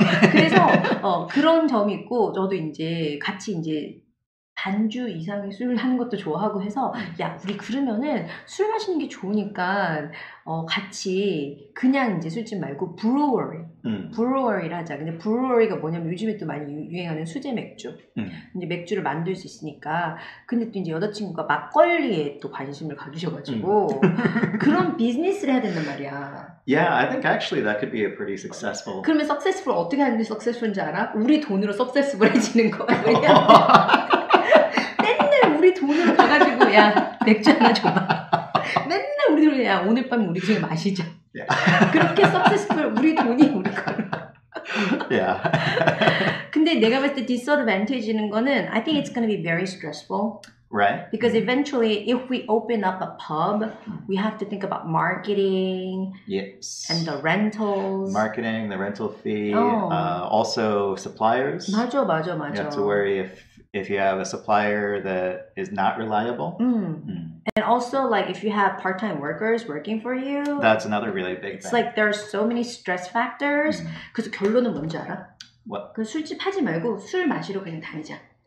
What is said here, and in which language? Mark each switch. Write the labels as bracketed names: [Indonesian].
[Korean] 그래서 그런 점이 있고 저도 이제 같이 이제 반주 이상의 술을 하는 것도 좋아하고 해서 야 우리 그러면은 술 마시는 게 좋으니까 같이 그냥 이제 술집 말고 브루어리 브루어리를 하자. 근데 브루어리가 뭐냐면 요즘에 또 많이 유행하는 수제 맥주. 이제 맥주를 만들 수 있으니까. 근데 또 이제 여자친구가 막걸리에 또 관심을 가지셔가지고 그런 비즈니스를 해야 된단 말이야. [English] Yeah, I think actually that could be a pretty successful. [Korean] 그러면 successful 어떻게 하는지 successful인지 알아? 우리 돈으로 successful해지는 거야. 돈으로 가가지고 야 맥주 하나 줘봐. 맨날 우리들 야 오늘 밤 우리 집에 마시자. [English] Yeah. [Korean] 그렇게 successful 우리 돈이 우리 거. [English] Yeah. [Korean] 근데 내가 봤을 때 disadvantage는 거는 [English] I think it's gonna be very stressful. Right. Because eventually, if we open up a pub, we have to think about marketing. Yes. And the rentals. Marketing, the rental fee. Also suppliers. [Korean] 맞아, 맞아, 맞아. [English] You have to worry if you have a supplier that is not reliable. And also, like, if you have part-time workers working for you. That's another really big thing. It's like there are so many stress factors. [Korean] 그래서 결론은 뭔지 알아? [English] What? [Korean] 그 술집 하지 말고 술 마시러 그냥 다니자.